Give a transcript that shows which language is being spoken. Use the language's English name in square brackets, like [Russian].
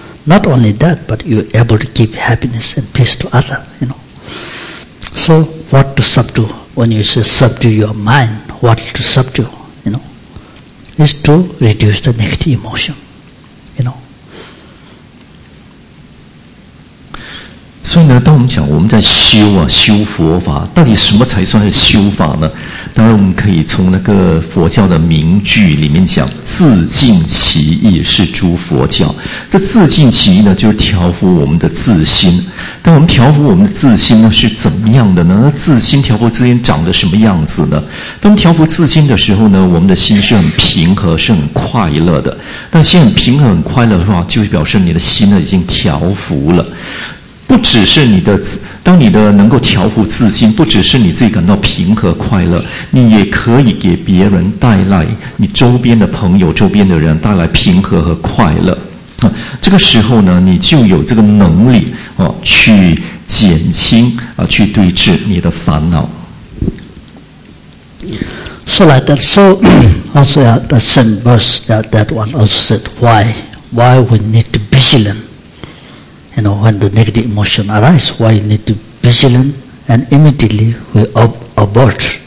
[English] Not only that, but you're able to give happiness and peace to others, you know. So what to subdue? When you say subdue your mind, what to subdue, you know, is to reduce the negative emotion, you know. [Chinese] 所以呢，当我们讲我们在修啊，修佛法，到底什么才算是修法呢？当然，我们可以从那个佛教的名句里面讲，自尽其意是诸佛教。这自尽其意呢，就是调伏我们的自心。但我们调伏我们的自心呢，是怎么样的呢？那自心调伏自心长得什么样子呢？当调伏自心的时候呢，我们的心是很平和，是很快乐的。那心很平和、很快乐的话，就表示你的心呢已经调伏了。不只是你的，当你的能够调伏自心，不只是你自己感到平和快乐，你也可以给别人带来，你周边的朋友、周边的人带来平和和快乐。这个时候呢，你就有这个能力啊，去减轻啊，去对治你的烦恼。 [English] So like that. So also the same verse that one also said why we need to be vigilant. You know, when the negative emotion arises, why you need to be vigilant and immediately we abort.